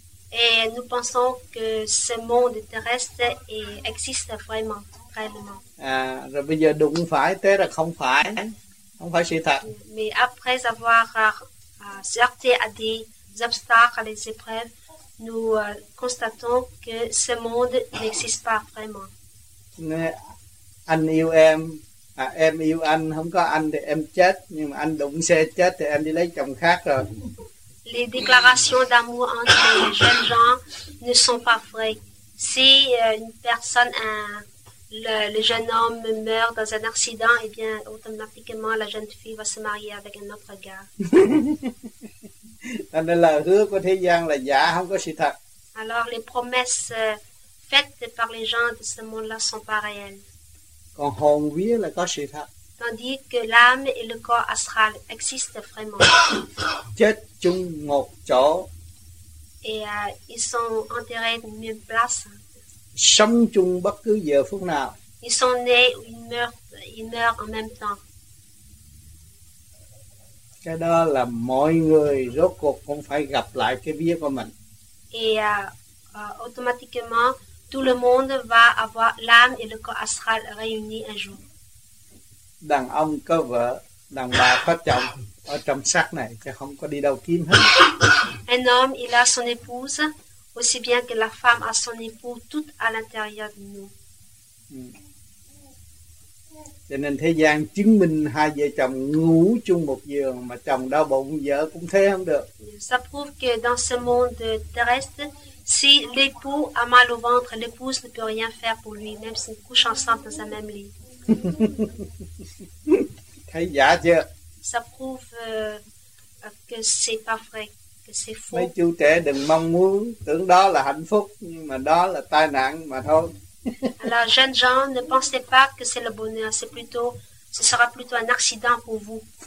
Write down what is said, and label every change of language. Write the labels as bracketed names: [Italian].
[French] Et nous pensons que ce monde terrestre existe vraiment, réellement. [Vietnamese] Rồi bây giờ đúng phải, thế là không phải, không phải sự thật. [French] Mais après avoir heurté à des obstacles, à des épreuves, nous constatons que ce monde n'existe pas vraiment. [Vietnamese] Anh yêu em, à, em yêu anh, không có anh thì em chết, nhưng mà anh đụng xe chết thì em đi lấy chồng khác rồi. [French] Les déclarations d'amour entre les jeunes gens ne sont pas vraies. Si une personne, le jeune homme meurt dans un accident, eh bien, automatiquement, la jeune fille va se marier avec un autre gars. [Vietnamese] Thành ra là hứa của thế gian là giả, không có sự thật. [French] Alors, les promesses faites par les gens de ce monde-là ne sont pas réelles. [Vietnamese] Còn hồn vía là có sự thật. [French] Tandis que l'âme et le corps astral existent vraiment. [Vietnamese] Chết chung một chỗ. [French] Et ils sont enterrés dans une place. [Vietnamese] Sống chung bất cứ giờ phút nào. [French] Ils sont nés ou ils meurent en même temps. [Vietnamese] Cái đó là mọi người rốt cuộc cũng phải gặp lại cái vía của mình. [French] Et automatiquement tout le monde va avoir l'âme et le corps astral réunis un jour. [Vietnamese] Đàn ông có vợ, đàn bà có chồng ở trong xác này chứ không có đi đâu kiếm hết. [French] Un homme il a son épouse aussi bien que la femme a son époux tout à l'intérieur de nous. [Vietnamese] Cho nên thế gian chứng minh hai vợ chồng ngủ chung một giường mà chồng đau bụng vợ cũng thế không được. [French] Ça prouve que dans ce monde terrestre, si l'époux a mal au ventre, l'épouse ne peut rien faire pour lui, même s'ils couchent ensemble dans un même lit. [Vietnamese] Thấy giả chưa? [French] Ça prouve que c'est pas vrai, que c'est faux. [Vietnamese] Mấy chú trẻ đừng mong muốn, tưởng đó là hạnh phúc, nhưng mà đó là tai nạn mà thôi. [French] Alors, jeunes gens, ne pensez pas que c'est le bonheur, c'est plutôt, ce sera plutôt un accident pour vous.